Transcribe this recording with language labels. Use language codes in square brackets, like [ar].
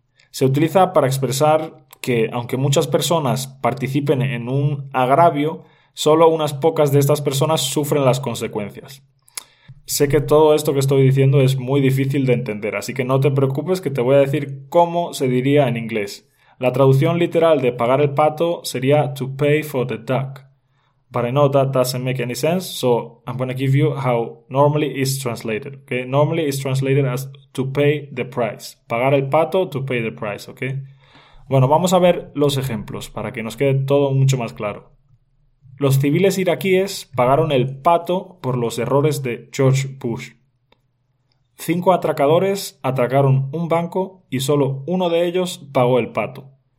[es] Se utiliza para expresar que, aunque muchas personas participen en un agravio, solo unas pocas de estas personas sufren las consecuencias. Sé que todo esto que estoy diciendo es muy difícil de entender, así que no te preocupes que te voy a decir cómo se diría en inglés. La traducción literal de pagar el pato sería [en] to pay for the duck. But I know that doesn't make any sense, so I'm going to give you how normally it's translated. Okay? Normally it's translated as to pay the price. [es] Pagar el pato, [en] to pay the price. Okay? [es] Bueno, vamos a ver los ejemplos para que nos quede todo mucho más claro. Los civiles iraquíes pagaron el pato por los errores de George Bush. 5 atracadores atracaron un banco y solo uno de ellos pagó el pato.